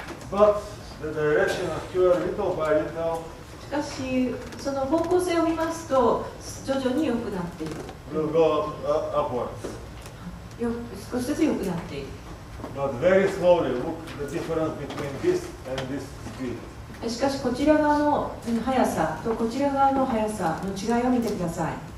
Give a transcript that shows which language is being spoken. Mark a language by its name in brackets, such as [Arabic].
[English] But the direction of cure little by little. [Japanese] しかしその方向性を見ますと徐々に良くなっている。 [English] We'll go upwards. [Japanese] 少しずつ良くなっている。 [English] But very slowly, look the difference between this and this speed. [Japanese] しかしこちら側の速さとこちら側の速さの違いを見てください。